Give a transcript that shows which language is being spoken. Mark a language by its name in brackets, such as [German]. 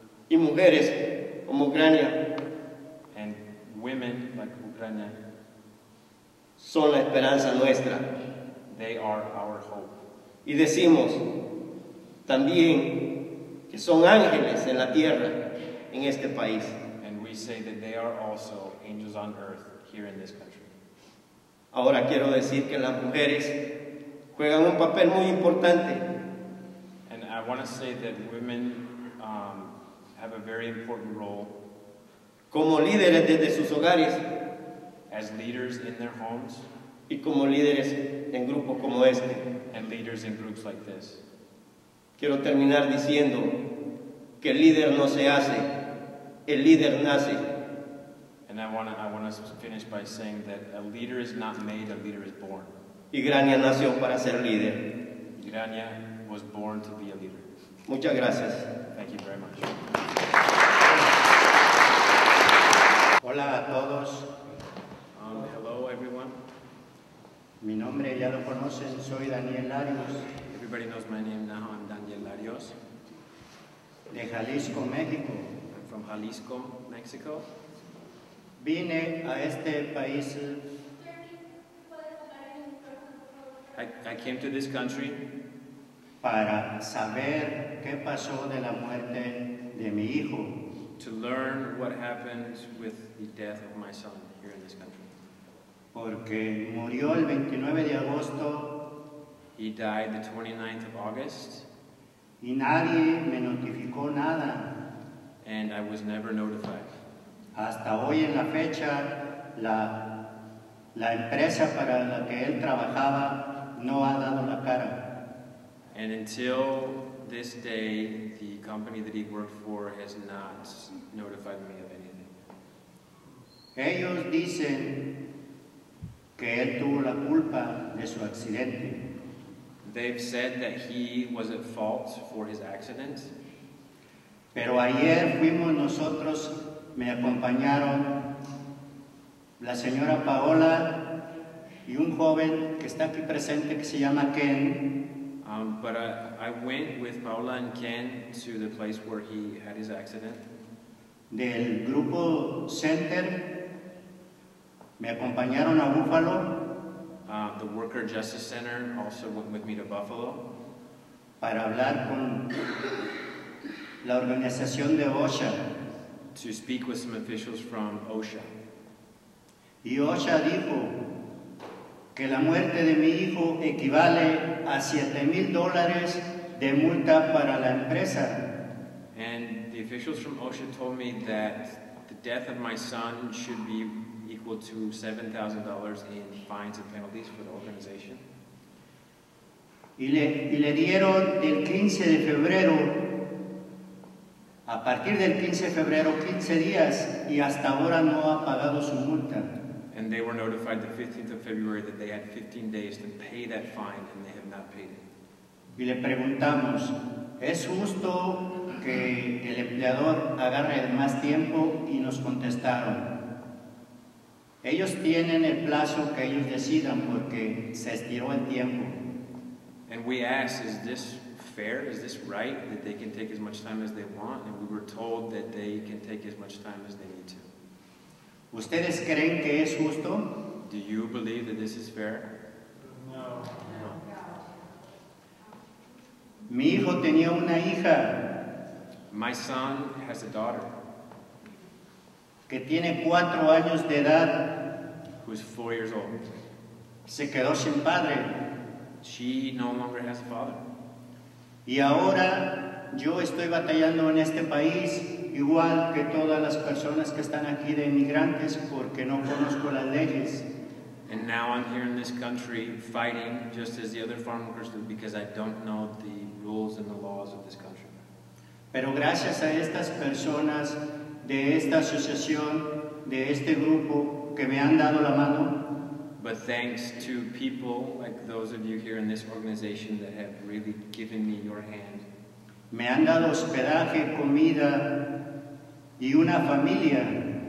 [Spanish] Y mujeres como Grania. [English] And women like Grania. [Spanish] Son la esperanza nuestra. [English] They are our hope. [Spanish] Y decimos también que son ángeles en la tierra, en este país. [English] And we say that they are also angels on earth here in this country. [Spanish] Ahora quiero decir que las mujeres juegan un papel muy importante. [English] And I want to say that women have a very important role. [Spanish] Como líderes desde sus hogares. [English] As leaders in their homes. [Spanish] Y como líderes en grupos como este. [English] And leaders in groups like this. [Spanish] Quiero terminar diciendo que el líder no se hace, el líder nace. [English] And I want to finish by saying that a leader is not made, a leader is born. [Spanish] Y Grania nació para ser líder. [English] Grania was born to be a leader. [Spanish] Muchas gracias. [English] Thank you very much. [Spanish] Hola a todos. [English] Hello everyone. [Spanish] Mi nombre ya lo conocen, soy Daniel Larios. [English] Everybody knows my name now. I'm Daniel Larios. [Spanish] De Jalisco, México. [English] I'm from Jalisco, Mexico. [Spanish] Vine a este país. [English] I came to this country [Spanish] para saber qué pasó de la muerte de mi hijo. [English] To learn what happened with the death of my son here in this country. [Spanish] Porque murió el 29 de agosto. [English] He died the 29th of August. [Spanish] Y nadie me notificó nada. [English] And I was never notified. [Spanish] Hasta hoy en la fecha, la empresa para la que él trabajaba no ha dado la cara. [English] And until this day, the company that he worked for has not notified me of anything. [Spanish] Ellos dicen que él tuvo la culpa de su accidente. [English] They've said that he was at fault for his accident. [Spanish] Pero ayer fuimos nosotros, me acompañaron la señora Paola y un joven que está aquí presente que se llama Ken. [English] But I went with Paola and Ken to the place where he had his accident. [Spanish] Del grupo Center, me acompañaron a Buffalo. [English] The Worker Justice Center also went with me to Buffalo. [Spanish] Para hablar con la organización de OSHA. [English] To speak with some officials from OSHA. [Spanish] Y OSHA dijo que la muerte de mi hijo equivale a $7,000 de multa para la empresa. [English] And the officials from OSHA told me that the death of my son should be equal to $7,000 in fines and penalties for the organization. [Spanish] Y le dieron el 15 de febrero, a partir del 15 de febrero, 15 días, y hasta ahora no ha pagado su multa. [English] And they were notified the 15th of February that they had 15 days to pay that fine, and they have not paid it. [Spanish] Y le preguntamos, ¿es justo que el empleador agarre más tiempo? Y nos contestaron, ellos tienen el plazo que ellos decidan porque se estiró el tiempo. [English] And we asked, is this fair? Is this right that they can take as much time as they want? And we were told that they can take as much time as they need to. [Spanish] ¿Ustedes creen que es justo? [English] Do you believe that this is fair? [Spanish] No. Mi hijo tenía una hija. [English] My son has a daughter. [Spanish] Que tiene 4 años de edad. [English] Who is 4 years old. [Spanish] Se quedó sin padre. [English] She no longer has a father. [Spanish] Y ahora yo estoy batallando en este país. Igual que todas las personas que están aquí de inmigrantes porque no conozco las leyes. [English] And now I'm here in this country fighting just as the other farm workers do because I don't know the rules and the laws of this country. [Spanish] Pero gracias a estas personas de esta asociación, de este grupo que me han dado la mano. [English] But thanks to people like those of you here in this organization that have really given me your hand. [Spanish] Me han dado hospedaje, comida y una familia.